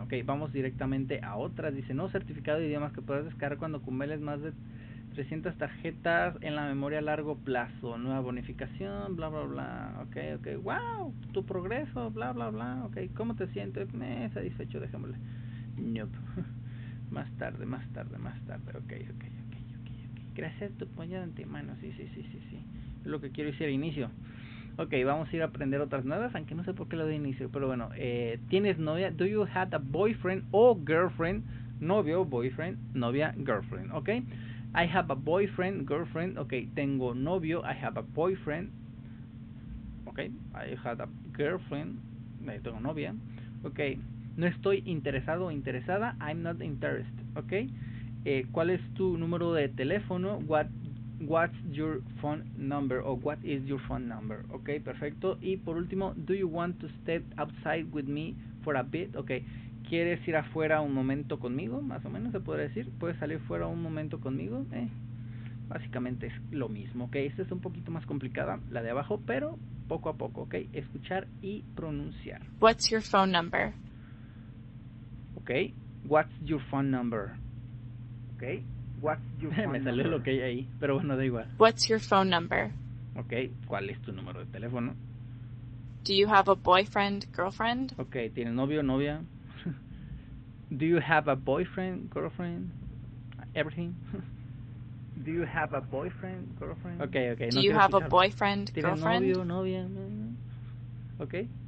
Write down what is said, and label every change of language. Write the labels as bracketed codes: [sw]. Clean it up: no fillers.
[es] Okay, vamos directamente a otra. Dice, no certificado de idiomas que puedas descargar cuando cumples más de 300 tarjetas en la memoria a largo plazo, nueva bonificación, bla, bla, bla, ok, wow, tu progreso, bla, bla, bla, ok, ¿cómo te sientes? Satisfecho, déjame Nope. Más tarde. Ok. Gracias, tu puño de antemano. Sí. Es lo que quiero decir al inicio. Ok, vamos a ir a aprender otras nuevas, aunque no sé por qué lo doy inicio. Pero bueno, ¿tienes novia? [en] Do you have a boyfriend or girlfriend? Novio, boyfriend, novia, girlfriend. Ok. I have a boyfriend, girlfriend. Ok, [es] tengo novio. [en] I have a boyfriend. Ok, I have a girlfriend. [es] Ahí tengo novia. Ok, no estoy interesado o interesada. [en] I'm not interested. [es] Ok, ¿cuál es tu número de teléfono? [en] What's your phone number? O what is your phone number? [es] Ok, perfecto. Y por último, [en] do you want to step outside with me for a bit? [es] Ok, ¿quieres ir afuera un momento conmigo? Más o menos se podría decir. ¿Puedes salir fuera un momento conmigo? Básicamente es lo mismo. Ok, esta es un poquito más complicada, la de abajo, pero poco a poco, ok. Escuchar y pronunciar. [en] What's your phone number? Ok, what's your phone number? Ok, what's your phone [es] me salió [en] number? [es] El ok ahí, pero bueno, da igual. [en] What's your phone number? [es] Ok, ¿cuál es tu número de teléfono? [en] Do you have a boyfriend, girlfriend? [es] Ok, ¿tienes novio, novia? [en] Do you have a boyfriend, girlfriend? Everything. Do you have a boyfriend, girlfriend? Okay. Do you have a boyfriend, girlfriend? [es] ¿Tienes novio, novia? Okay.